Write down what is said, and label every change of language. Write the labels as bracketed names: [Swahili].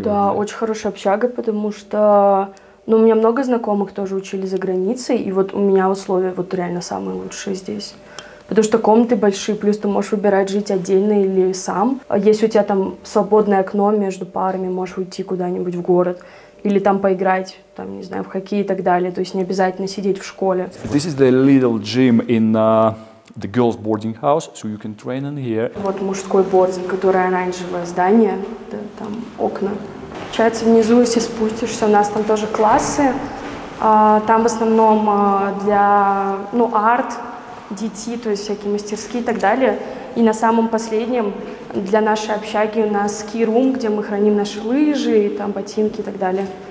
[Russian] Да, очень хорошая общага, потому что... Ну, у меня много знакомых тоже учили за границей, и вот у меня условия вот реально самые лучшие здесь. Потому что комнаты большие, плюс ты можешь выбирать жить отдельно или сам. Если у тебя там свободное окно между парами, можешь уйти куда-нибудь в город. Или там поиграть, там, не знаю, в хоккей и так далее. То есть не обязательно сидеть в школе. [English] This is the little gym in the girls' boarding house, so you can train in here. [Russian] Вот мужской бординг, которое оранжевое здание, да, там окна. Получается, внизу, если спустишься, у нас там тоже классы. Там в основном для, ну, арт, детей, то есть всякие мастерские и так далее. И на самом последнем... Для нашей общаги у нас ски-рум, где мы храним наши лыжи, и там ботинки и так далее.